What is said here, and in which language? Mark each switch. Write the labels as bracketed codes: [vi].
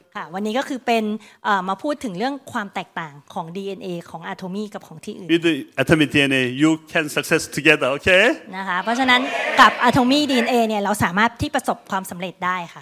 [th] ค่ะวันนี้ก็คือเป็นมาพูดถึงเรื่องความแตกต่างของ DNA ของ Atomy กับของที่อื่น [en] with the Atomy DNA you can success together okay [th] นะคะเพราะฉะนั้นกับ Atomy DNA เนี่ยเราสามารถที่ประสบความสำเร็จได้ค่ะ